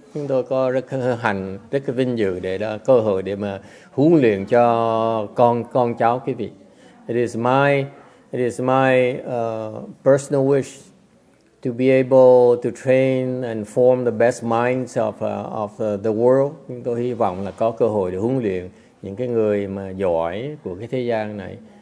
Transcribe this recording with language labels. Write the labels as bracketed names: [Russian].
[Vietnamese] Chúng tôi có rất hân hạnh, rất là vinh dự để đó cơ hội để mà huấn luyện cho con cháu quý vị. [English] It is my personal wish to be able to train and form the best minds of the world. [Vietnamese] Chúng tôi hy vọng là có cơ hội để huấn luyện những cái người mà giỏi của cái thế gian này.